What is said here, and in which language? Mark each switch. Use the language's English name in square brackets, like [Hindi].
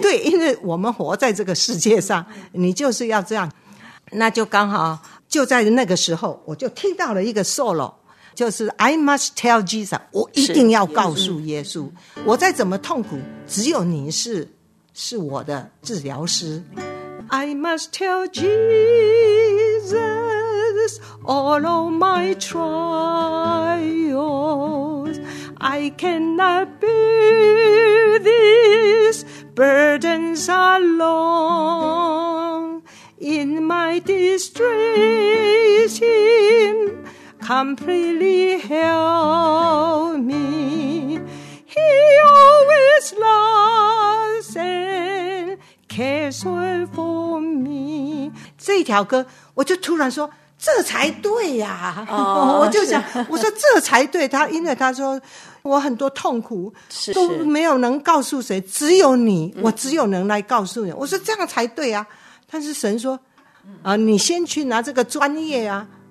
[Chinese] 对，因为我们活在这个世界上，你就是要这样。那就刚好就在那个时候，我就听到了一个 solo， 就是 [English] I must tell Jesus， [Chinese] 我一定要告诉耶稣，我再怎么痛苦，只有你是我的治疗师。 [English] I must tell Jesus all of my trials. I cannot bear these burdens alone. In my distress, Him completely help me. He always loves and cares for me. [Chinese] 这条歌，我就突然说，这才对呀！我就想，我说这才对。他因为他说我很多痛苦都没有能告诉谁，只有你，我只有能来告诉你。我说这样才对啊！但是神说你先去拿这个专业啊。